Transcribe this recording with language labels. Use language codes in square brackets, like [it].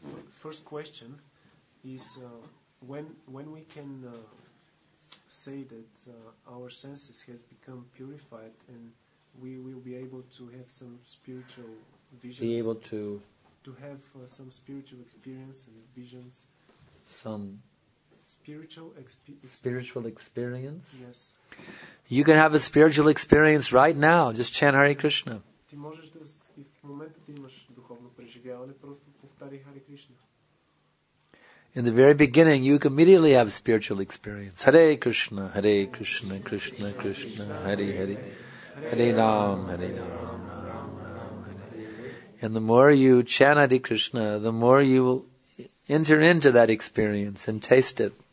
[en] First question is when we can say that our senses has become purified and we will be able to have some spiritual visions, be able to have some spiritual experience and visions, some spiritual spiritual experience. Yes, you can have a spiritual experience right now, just chant Hare Krishna. [bg] Ти можеш да, и в момента ти имаш духовно преживяване, просто повтари Hare Krishna. [en] In the very beginning, you can immediately have spiritual experience. Hare Krishna, Hare Krishna, Krishna Krishna, Hare Hare, Hare Ram, Hare Ram, Ram Ram, Hare. And the more you chant Hare Krishna, the more you will enter into that experience and taste it.